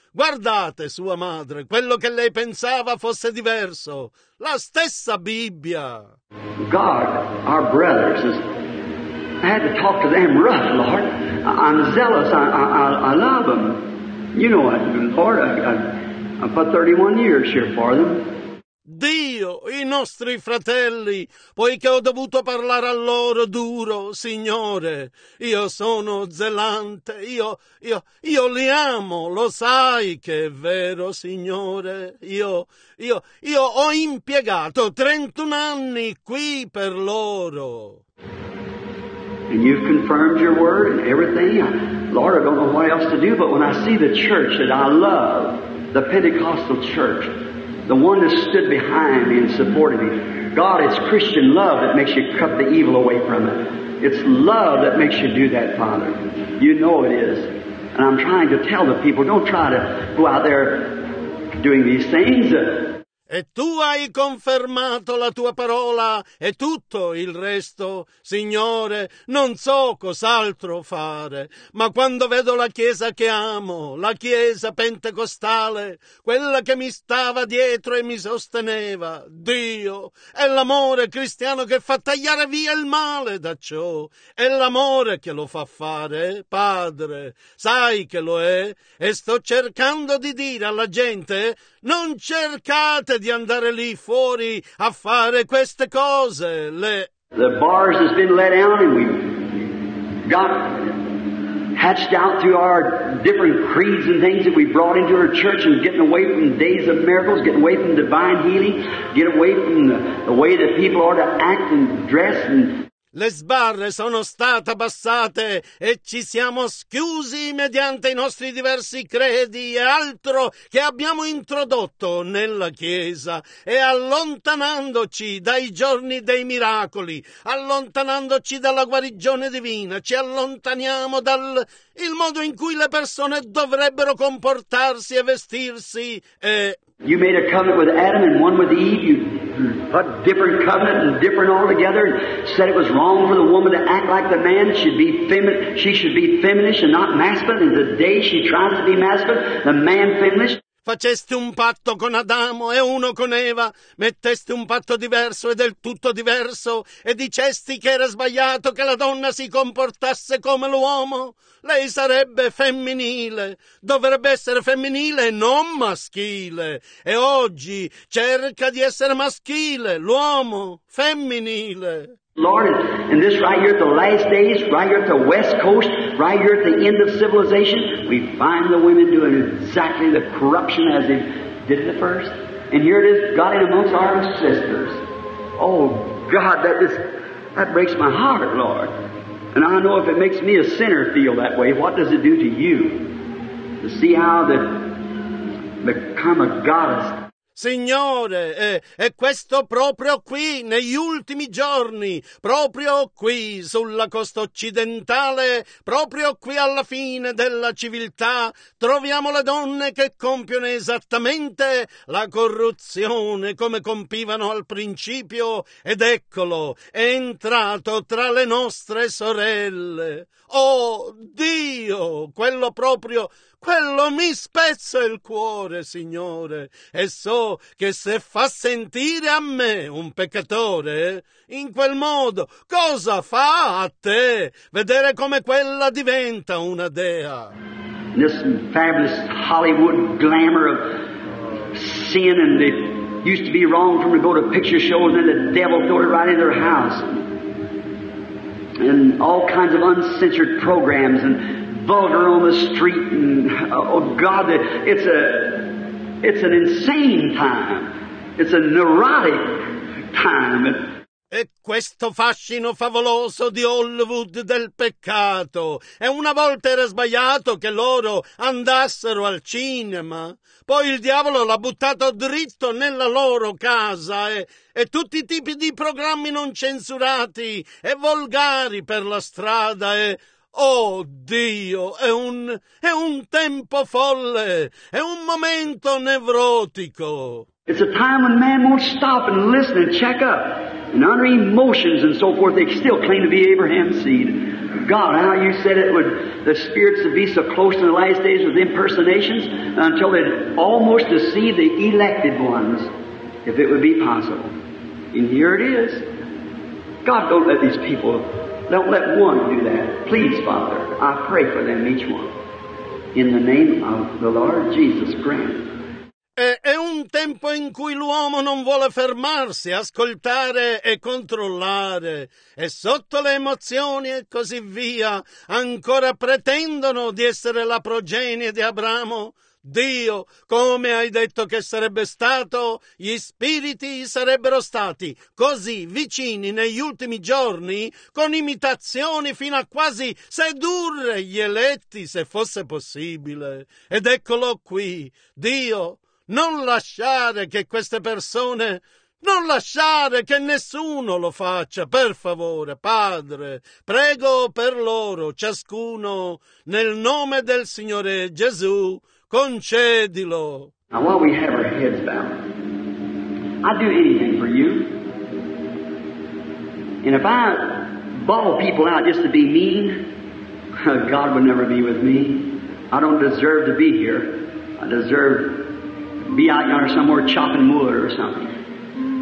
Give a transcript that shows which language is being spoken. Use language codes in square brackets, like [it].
[it] Guardate, sua madre, quello che lei pensava fosse diverso. La stessa Bibbia. [en] God, our brothers, I had to talk to them rough, Lord. I'm zealous. I love them. You know what, Lord, I put 31 years here for them. [it] Dio, i nostri fratelli, poiché ho dovuto parlare a loro duro, Signore, io sono zelante, io li amo, lo sai che è vero, Signore, io ho impiegato 31 anni qui per loro. [en] And you've confirmed your word and everything. Lord, I don't know what else to do, but when I see the church that I love, the Pentecostal church, the one that stood behind me and supported me. God, it's Christian love that makes you cut the evil away from it. It's love that makes you do that, Father. You know it is. And I'm trying to tell the people, don't try to go out there doing these things. [it] E tu hai confermato la tua parola e tutto il resto, Signore, non so cos'altro fare, ma quando vedo la Chiesa che amo, la Chiesa Pentecostale, quella che mi stava dietro e mi sosteneva, Dio, è l'amore cristiano che fa tagliare via il male da ciò, è l'amore che lo fa fare, Padre, sai che lo è, e sto cercando di dire alla gente, non cercate di andare lì fuori a fare queste cose. [en] The bars has been let out and we got hatched out through our different creeds and things that we brought into our church and getting away from days of miracles, getting away from divine healing, get away from the way that people ought to act and dress and... [it] Le sbarre sono state abbassate e ci siamo schiusi mediante i nostri diversi credi e altro che abbiamo introdotto nella Chiesa e allontanandoci dai giorni dei miracoli, allontanandoci dalla guarigione divina, ci allontaniamo dal il modo in cui le persone dovrebbero comportarsi e vestirsi e... [en] You made a covenant with Adam and one with Eve. You put different covenant and different altogether. Said it was wrong for the woman to act like the man. She should be feminine and not masculine. And the day she tries to be masculine, the man feminine. [it] Faceste un patto con Adamo e uno con Eva, metteste un patto diverso e del tutto diverso, e dicesti che era sbagliato che la donna si comportasse come l'uomo. Lei sarebbe femminile, dovrebbe essere femminile e non maschile. E oggi cerca di essere maschile, l'uomo, femminile. [en] Lord, and this right here at the last days, right here at the West Coast, right here at the end of civilization, we find the women doing exactly the corruption as they did at the first. And here it is, God in amongst our sisters. Oh, God, that breaks my heart, Lord. And I know if it makes me a sinner feel that way, what does it do to you? To see how that become a goddess. [it] Signore, è questo proprio qui, negli ultimi giorni, proprio qui, sulla costa occidentale, proprio qui alla fine della civiltà, troviamo le donne che compiono esattamente la corruzione come compivano al principio, ed eccolo, è entrato tra le nostre sorelle. Oh Dio, quello proprio... Quello mi spezza il cuore, Signore, e so che se fa sentire a me un peccatore, in quel modo, cosa fa a te vedere come quella diventa una dea? [en] This fabulous Hollywood glamour of sin, and it used to be wrong for them to go to picture shows, and then the devil threw it right in their house. And all kinds of uncensored programs, and vulgar on the street, and oh God, it's an insane time, it's a neurotic time. [it] E questo fascino favoloso di Hollywood del peccato. E una volta era sbagliato che loro andassero al cinema. Poi il diavolo l'ha buttato dritto nella loro casa e tutti i tipi di programmi non censurati e volgari per la strada e... Oh Dio, è un tempo folle, è un momento nevrotico. [en] It's a time when man won't stop and listen and check up. And under emotions and so forth, they still claim to be Abraham's seed. God, how you said it would, the spirits would be so close in the last days with impersonations until they'd almost deceive the elected ones, if it would be possible. And here it is. God, don't let these people, don't let one do that. Please, Father, I pray for them, each one. In the name of the Lord Jesus, grant. [it] È un tempo in cui l'uomo non vuole fermarsi, ascoltare e controllare, e sotto le emozioni e così via, ancora pretendono di essere la progenie di Abramo. Dio, come hai detto che sarebbe stato, gli spiriti sarebbero stati così vicini negli ultimi giorni, con imitazioni fino a quasi sedurre gli eletti, se fosse possibile. Ed eccolo qui, Dio. Non lasciare che queste persone, non lasciare che nessuno lo faccia, per favore, Padre, prego per loro, ciascuno, nel nome del Signore Gesù, concedilo. [en] Now while we have our heads bowed, I'd do anything for you. And if I ball people out just to be mean, God would never be with me. I don't deserve to be here. I deserve... be out yonder somewhere chopping wood or something.